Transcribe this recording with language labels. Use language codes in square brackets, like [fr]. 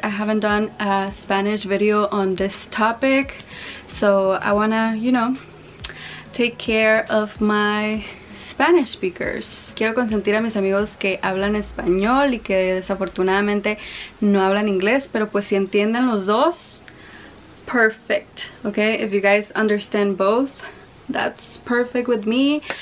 [en] I haven't done a Spanish video on this topic, so I wanna, you know, take care of my Spanish speakers. [es] Quiero consentir a mis amigos que hablan español y que desafortunadamente no hablan inglés, pero pues si entienden los dos, perfect. [en] Okay, if you guys understand both, that's perfect with me.